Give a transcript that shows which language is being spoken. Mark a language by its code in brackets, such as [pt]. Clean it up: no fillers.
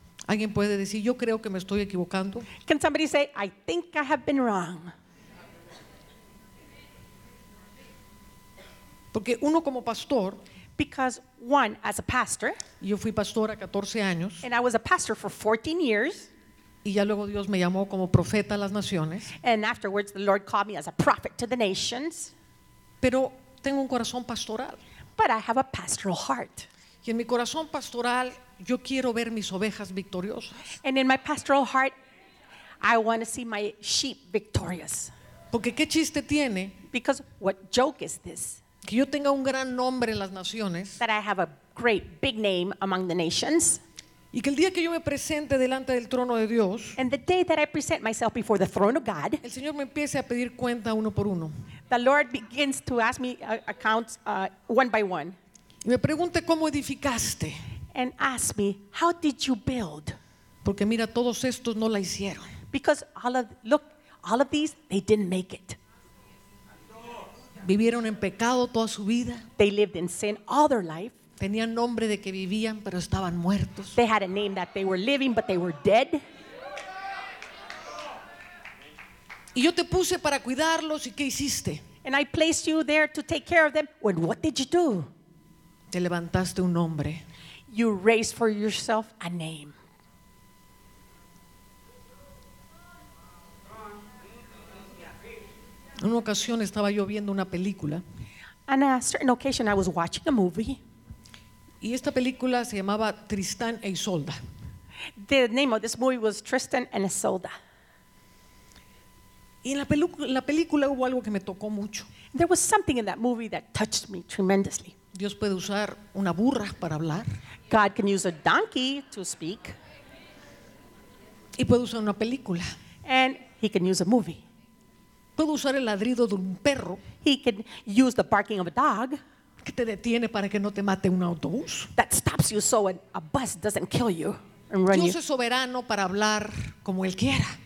[es] ¿Alguien puede decir, yo creo que me estoy equivocando? [en] Can somebody say, I think I have been wrong? [es] Porque uno como pastor, [en] because one, as a pastor, [es] yo fui pastora 14 años, [en] and I was a pastor for 14 years, [es] y ya luego Dios me llamó como profeta a las naciones, [en] and afterwards the Lord called me as a prophet to the nations. [es] Pero tengo un corazón pastoral. [en] But I have a pastoral heart. [es] Y en mi corazón pastoral, yo quiero ver mis ovejas victoriosas. [en] And in my pastoral heart, I want to see my sheep victorious. [es] Porque qué chiste tiene, [en] because what joke is this? [es] Que yo tenga un gran nombre en las naciones. [en] That I have a great big name among the nations. [es] Y que el día que yo me presente delante del trono de Dios, [en] and the day that I present myself before the throne of God, [es] el Señor me empiece a pedir cuenta uno por uno. [en] The Lord begins to ask me accounts one by one. [es] Y me pregunte cómo edificaste. [en] And ask me, how did you build? [es] Porque mira, todos estos no la hicieron. [en] Because all of these, they didn't make it. [es] Vivieron en pecado toda su vida. [en] They lived in sin all their life. [es] Tenían nombre de que vivían, pero estaban muertos. [en] They had a name that they were living, but they were dead. [es] Y yo te puse para cuidarlos, ¿y qué hiciste? [en] And I placed you there to take care of them. And what did you do? [es] Te levantaste un nombre. [en] You raised for yourself a name. [es] En una ocasión estaba yo viendo una película. [en] On a certain occasion I was watching a movie. [es] Y esta película se llamaba Tristán e Isolda. [en] The name of this movie was Tristan and Isolde. [es] Y en la película hubo algo que me tocó mucho. [en] There was something in that movie that touched me tremendously. [es] Dios puede usar una burra para hablar. [en] God can use a donkey to speak. [es] Y puede usar una película. [en] And he can use a movie. [es] Puede usar el ladrido de un perro. [en] He can use the barking of a dog. [es] Que te detiene para que no te mate un autobús. [en] That stops you so a bus doesn't kill you. [es] Dios es soberano para hablar como Él quiera.